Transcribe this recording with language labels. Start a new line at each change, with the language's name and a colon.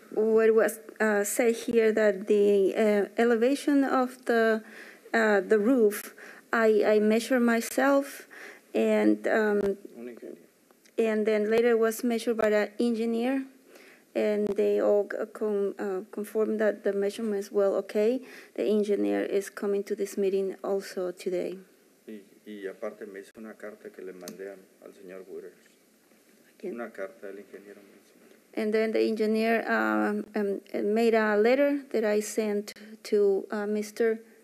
English: What was said here that the elevation of the roof, I measured myself, and then later was measured by the engineer, and they all confirmed that the measurements were okay. The engineer is coming to this meeting also today.
Spanish: Y aparte me hizo una carta que le mandé al señor Wooters. Una carta del ingeniero.
English: And then the engineer made a letter that I sent to Mr.